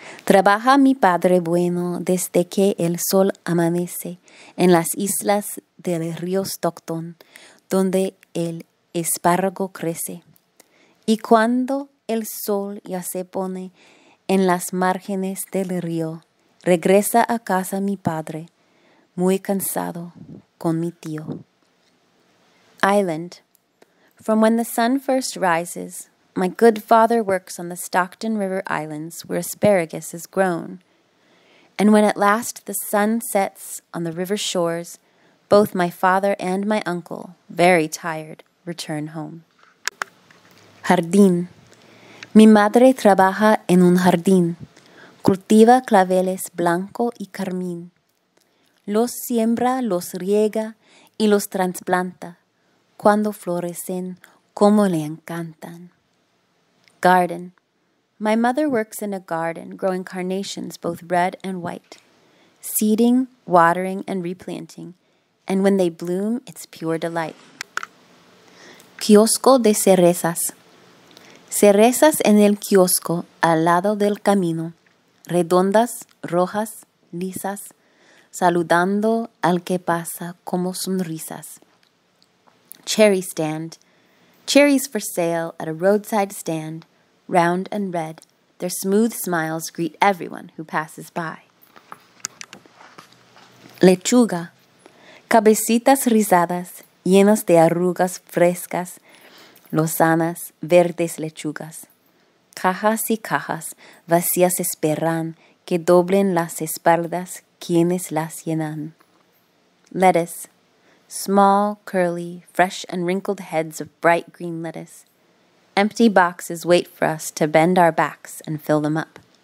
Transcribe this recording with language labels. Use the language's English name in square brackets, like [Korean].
[Spanish] Trabaja mi padre bueno desde que el sol amanece en las islas del río Stockton, donde el espárrago crece. Y cuando el sol ya se pone en las márgenes del río, regresa a casa mi padre, muy cansado, con mi tío. [English] Island. From when the sun first rises, my good father works on the Stockton River islands where asparagus is grown. And when at last the sun sets on the river shores, both my father and my uncle, very tired, return home. [Spanish] Jardín. Mi madre trabaja en un jardín. Cultiva claveles blanco y carmín. Los siembra, los riega y los transplanta. Cuando florecen, como le encantan. Garden. [English] My mother works in a garden growing carnations both red and white, seeding, watering, and replanting, and when they bloom, it's pure delight. [Spanish] Kiosco de cerezas. Cerezas en el kiosco al lado del camino, redondas, rojas, lisas, saludando al que pasa como sonrisas. [English] Cherry stand. Cherries for sale at a roadside stand, round and red. Their smooth smiles greet everyone who passes by. [Spanish] Lechuga. Cabecitas rizadas, llenas de arrugas frescas, lozanas, verdes lechugas. Cajas y cajas vacías esperan que doblen las espaldas quienes las llenan. [English] Lettuce. Small, curly, fresh and wrinkled heads of bright green lettuce. Empty boxes wait for us to bend our backs and fill them up.